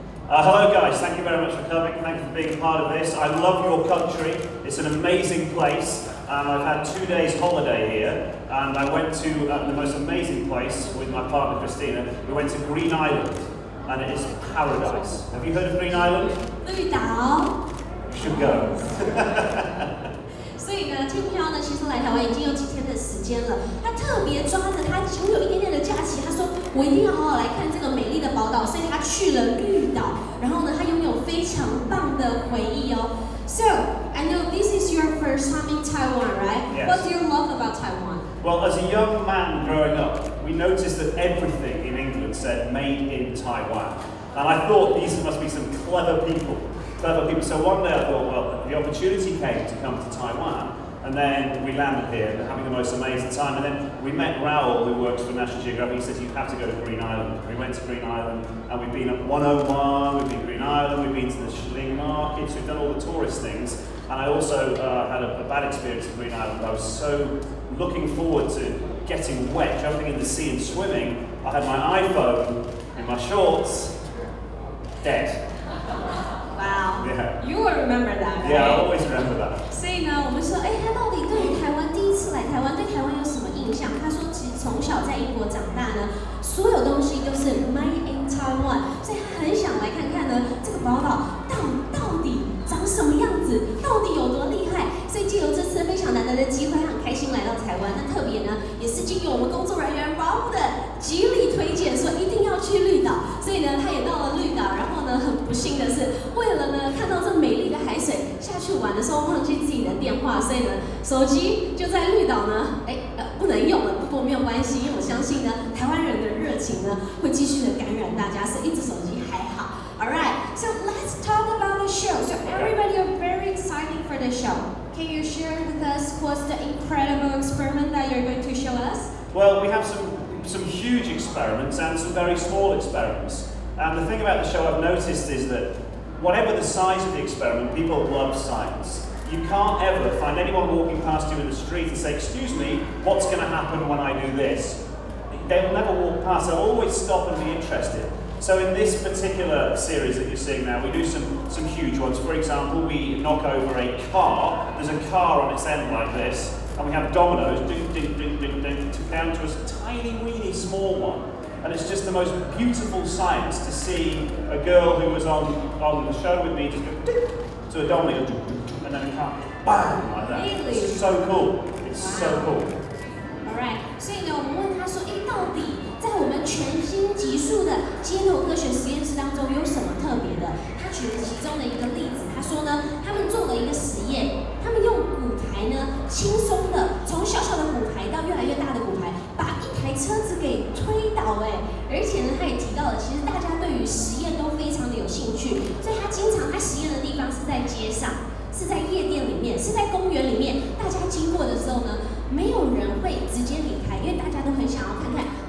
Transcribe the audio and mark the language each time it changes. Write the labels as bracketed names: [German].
[English] Hello guys, thank you very much for coming. Thank you for being a part of this. I love your country. It's an amazing place. And I've had 2 days holiday here. And I went to the most amazing place with my partner Christina. We went to Green Island. And it is paradise. Have you heard of Green Island? [Chinese] 绿岛。 [English] You should go. [Chinese] 所以呢，天飘呢，其实来台湾已经有几天的时间了。他特别抓着他只有一点点的假期，他说我一定要好好来看这个美丽的宝岛，所以他去了绿岛。然后呢，他拥有非常棒的回忆哦。 [English] So I know this is your first time in Taiwan, right? Yes. What do you love about Taiwan? Well, as a young man growing up, we noticed that everything in England said "Made in Taiwan," and I thought these must be some clever people. So one day I thought, well, the opportunity came to come to Taiwan, and then we landed here, having the most amazing time. And then we met Raoul, who works for National Geographic. He said, you have to go to Green Island. We went to Green Island, and we've been at 101, we've been to Green Island, we've been to the Shilling Markets, we've done all the tourist things. And I also had a bad experience at Green Island. I was so looking forward to getting wet, jumping in the sea and swimming. I had my iPhone in my shorts, dead. Yeah. You will remember that, right? Yeah, I always remember that. [Chinese] 所以呢，我们说，哎，他到底对于台湾第一次来台湾，对台湾有什么印象？他说，其实从小在英国长大呢，所有东西都是 [English] made in Taiwan， [Chinese] 所以他很想来看看呢，这个宝岛到底长什么样子，到底有多厉害。所以借由这次非常难得的机会，很开心来到台湾。那特别呢，也是经由我们工作人员 Rob 的极力推荐，说一定要去绿岛。所以呢，他也到了绿岛。然后呢，很不幸的是，为了呢看到这美丽的海水，下去玩的时候忘记自己的电话，所以呢，手机就在绿岛呢，不能用了。不过没有关系，因为我相信呢，台湾人的热情呢，会继续的感染大家，所以一只手机还好。 [English] All right, so let's talk about the show. So everybody are very excited for the show. Can you share with us what's the incredible experiment that you're going to show us? Well, we have some huge experiments and some very small experiments. And the thing about the show I've noticed is that whatever the size of the experiment, people love science. You can't ever find anyone walking past you in the street and say, excuse me, what's going to happen when I do this? They'll never walk past, they'll always stop and be interested. So in this particular series that you're seeing now, we do some huge ones. For example, we knock over a car. There's a car on its end like this. And we have dominoes, ding, ding, ding, ding, ding, to counter us a tiny, weeny, small one. And it's just the most beautiful science to see a girl who was on the show with me just go, ding, to a domino, ding, ding, and then a car, bang, like that. Really? It's so cool. It's so cool. All right. So, you know, we asked him, [Chinese] 在我们全新集数的街头科学实验室当中有什么特别的？他举了其中的一个例子，他说呢，他们做了一个实验，他们用舞台呢，轻松的从小小的舞台到越来越大的舞台，把一台车子给推倒哎，而且呢，他也提到了，其实大家对于实验都非常的有兴趣，所以他经常他实验的地方是在街上，是在夜店里面，是在公园里面，大家经过的时候呢，没有人会直接离开，因为大家都很想要看看。